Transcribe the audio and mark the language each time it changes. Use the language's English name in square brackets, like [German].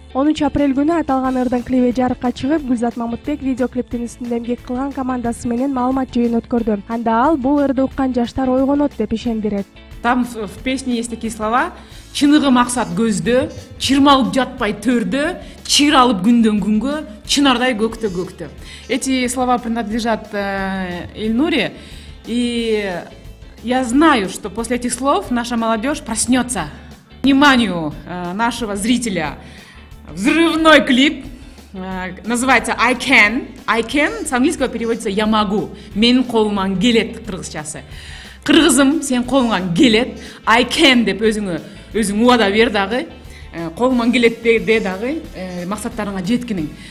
[Kyrgyz] 13 апрель күнү аталган ырдын клиби жарыкка чыгып, Гүлзат Мамытбек видеоклиптин үстүндө эмгек кылган командасы менен маалымат жыйын өткөрдү. Анда ал бул ырды уккан жаштар ойгонот деп ишендирет. [Russian] Там в песне есть такие слова: [Kyrgyz] чыныгы максат көздө, чырмалып жатпай төрдө, чыр алып күндөн күнгө, чынардай көктө көктө. [Russian] Эти слова принадлежат Эльнуре, и я знаю, что после этих слов наша молодежь проснется. Вниманию нашего зрителя взрывной клип. Называется I can. I can с английского переводится я могу. [Kyrgyz] Мен колуман келет кыргызчасы. Кыргызым, сен колуңан келет, I can деп өзің уада бер дагы, колуман келет де дагы, максаттарыңа жеткиниң.